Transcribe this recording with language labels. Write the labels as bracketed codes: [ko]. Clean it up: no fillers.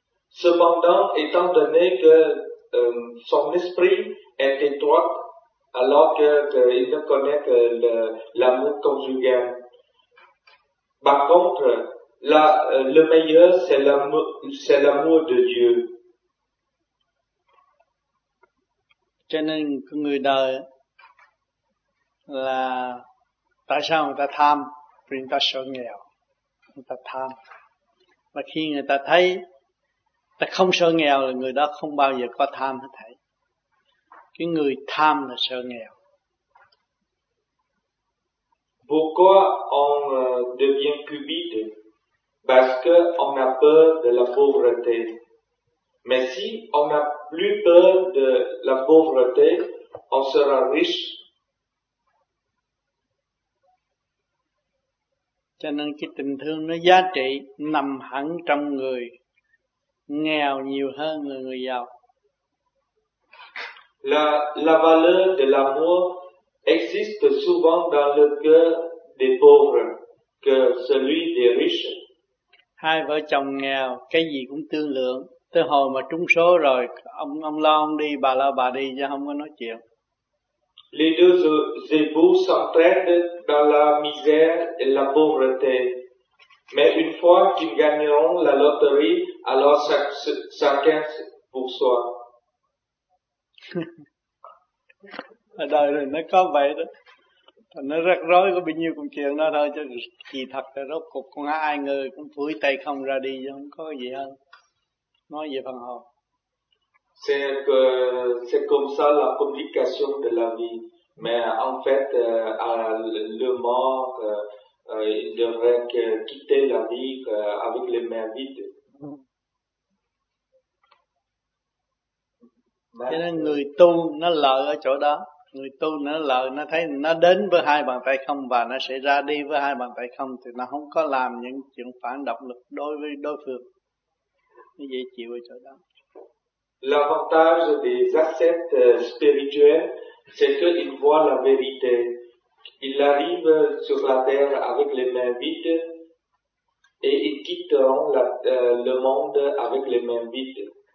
[fr] Cependant, étant donné que son esprit est étroit, alors qu'il ne connaît que l'amour conjugal. Par contre, le meilleur, c'est l'amour de Dieu. [vi] Cho nên người đời là tại sao người ta tham? Vì người ta sợ nghèo, người ta tham. Và khi người ta thấy ta không sợ nghèo là người đó không bao giờ có tham hết thảy. Cái người tham là sợ nghèo. [fr] Pourquoi on devient cupide? Parce que on a peur de la pauvreté. Mais si on a plus peur de la pauvreté, on sera riche. [vi] Cho nên cái tình thương nó giá trị nằm hẳn trong người nghèo nhiều hơn là người giàu. [fr] La valeur de l'amour existe souvent dans le cœur des pauvres que celui des riches. [vi] Hai vợ chồng nghèo, cái gì cũng tương lượng. Tới hồi mà trúng số rồi, ông lo ông đi, bà lo bà đi, chứ không có nói chuyện. [fr] Les deux époux s'entraident dans la misère et la pauvreté. Mais une fois qu'ils gagneront la loterie, alors chacun pour soi. [vi] Ở đời này nó có vậy đó. Nó rắc rối có bao nhiêu công chuyện đó thôi. Chứ kỳ thật là rốt cuộc con ai người cũng phủi tay không ra đi, chứ không có gì hơn. Nói về phần hồn. [fr] C'est comme ça la complication de la vie. Mais en fait, à le mort, il devrait quitter la vie avec les mains vides. [vi] Cho nên người tu nó lợi ở chỗ đó. Người tu nó lợi, nó thấy nó đến với hai bàn tay không và nó sẽ ra đi với hai bàn tay không, thì nó không có làm những chuyện phản động lực đối với đối phương. Nó dễ chịu ở chỗ đó. [fr] L'avantage des ascètes spirituels, c'est qu'ils voient la vérité. Ils arrivent sur la terre avec les mains vides et ils quitteront le monde avec les mains vides.